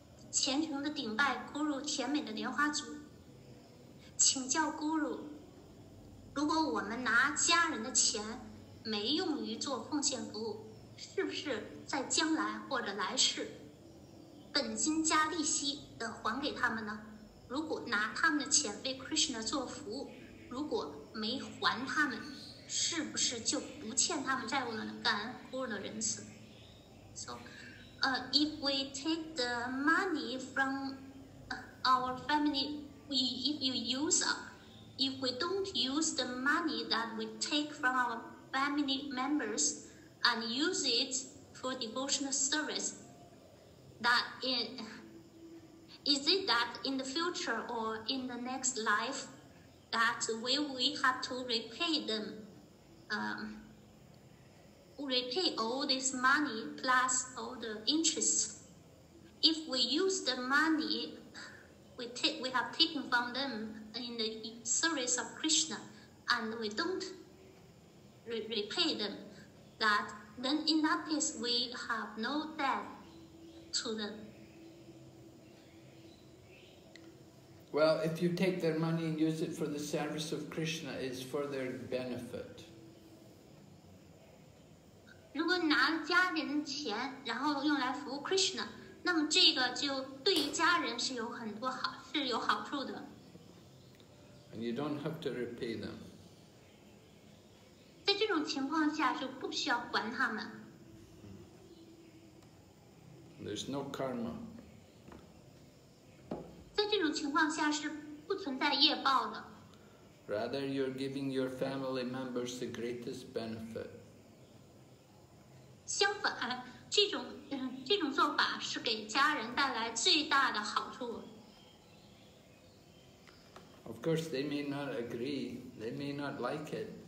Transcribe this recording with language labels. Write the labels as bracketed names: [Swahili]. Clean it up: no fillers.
[Chinese] 虔诚的顶拜 Guru 甜美的莲花族，请教 Guru， 如果我们拿家人的钱没用于做奉献服务，是不是在将来或者来世本金加利息的还给他们呢？如果拿他们的钱为 Krishna 做服务，如果没还他们，是不是就不欠他们债务了呢？感恩 Guru 的仁慈。 [English] If we take the money from our family, if you use If we don't use the money that we take from our family members and use it for devotional service, is it that in the future or in the next life that we have to repay them, repay all this money plus all the interest? If we use the money we have taken from them in the service of Krishna and we don't repay them, that then in that case we have no debt to them. Well, if you take their money and use it for the service of Krishna, it's for their benefit. [Chinese] 如果拿家人的钱然后用来服务 Krishna, 那么这个就对于家人是有很多好是有好处的。 [English] And you don't have to repay them. [Chinese] 在这种情况下就不需要还他们。 [English] There's no karma. [Chinese] 在这种情况下是不存在业报的。 [English] Rather, you're giving your family members the greatest benefit. [Chinese] 相反，这种做法是给家人带来最大的好处。 [English] Of course, they may not agree. They may not like it.